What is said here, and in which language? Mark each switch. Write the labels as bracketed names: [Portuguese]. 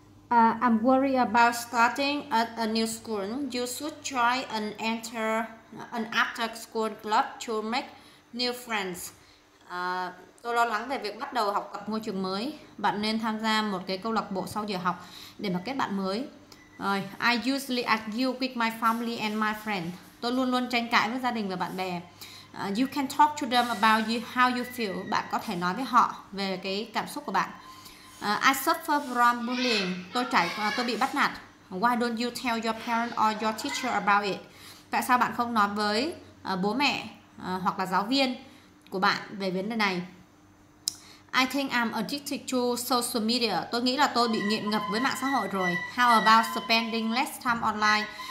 [English] I'm worried about starting at a new school. You should try and enter an after school club to make new friends. [Vietnamese] Tôi lo lắng về việc bắt đầu học tập môi trường mới. Bạn nên tham gia một cái câu lạc bộ sau giờ học để mà kết bạn mới. [English] Rồi, I usually argue with my family and my friends. [Vietnamese] Tôi luôn luôn tranh cãi với gia đình và bạn bè. [English] You can talk to them about you, how you feel. [Vietnamese] Bạn có thể nói với họ về cái cảm xúc của bạn. [English] I suffer from bullying. [Vietnamese] Tôi bị bắt nạt. [English] Why don't you tell your parents or your teacher about it? [Vietnamese] Tại sao bạn không nói với bố mẹ hoặc là giáo viên của bạn về vấn đề này? [English] I think I'm addicted to social media. [Vietnamese] Tôi nghĩ là tôi bị nghiện ngập với mạng xã hội rồi. [English] How about spending less time online?